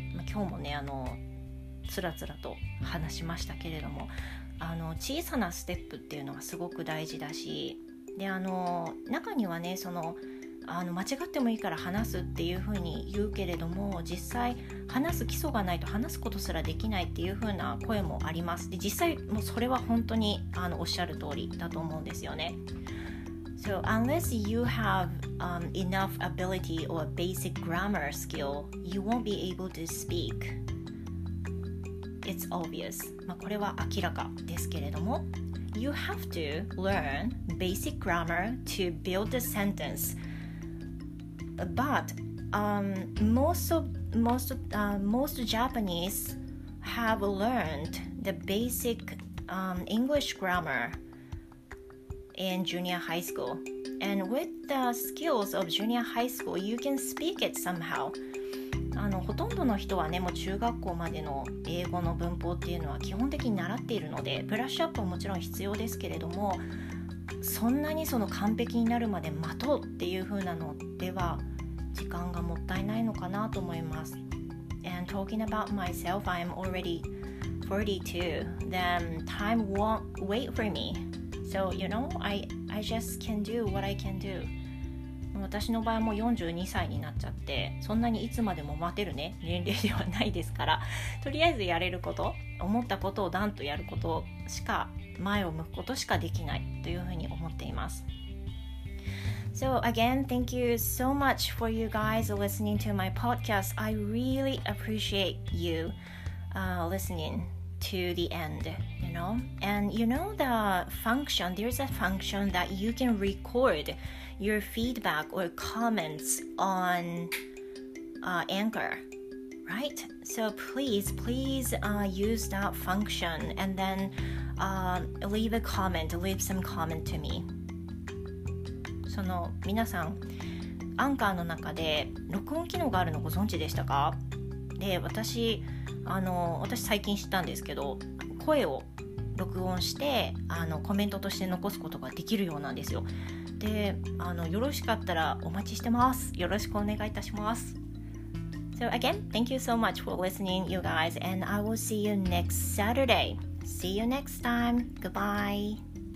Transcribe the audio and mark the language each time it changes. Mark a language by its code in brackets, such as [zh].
[ja] 今日もね、あのつらつらと話しましたけれども、あの小さなステップっていうのがすごく大事だし、で、あの中にはね、そのあの間違ってもいいから話すっていうふうに言うけれども、実際話す基礎がないと話すことすらできないっていうふうな声もあります。で、実際もうそれは本当にあのおっしゃる通りだと思うんですよね。 [en] So unless you have enough ability or basic grammar skill, you won't be able to speakIt's obvious. [ja] まあこれは明らかですけれども、 [en] You have to learn basic grammar to build a sentence. But most Japanese have learned the basic English grammar in junior high school. And with the skills of junior high school, you can speak it somehow. [ja] あのほとんどの人はね、もう中学校までの英語の文法っていうのは基本的に習っているので、ブラッシュアップはもちろん必要ですけれども、そんなにその完璧になるまで待とうっていう風なのでは時間がもったいないのかなと思います。 [en] And talking about myself, I'm already 42, then time won't wait for me. So you know, I just can do what I can do. [ja] 私の場合も42歳になっちゃって、そんなにいつまでも待てるね年齢ではないですから、とりあえずやれること、思ったことをダンとやることしか、前を向くことしかできないというふうに思っています。 [en] So again, thank you so much for you guys listening to my podcast. I really appreciate you listening to the end, you know. And you know the function, there's a function that you can recordyour feedback or comments on Anchor, right? So please use that function and then leave a comment, leave some comment to me. [ja] その皆さん、アンカーの中で録音機能があるのご存知でしたか？で、私最近知ったんですけど、声を録音してあのコメントとして残すことができるようなんですよ。で、あの、よろしかったらお待ちしてます。よろしくお願いいたします。 [en] So again, thank you so much for listening, you guys, and I will see you next Saturday. See you next time. Goodbye.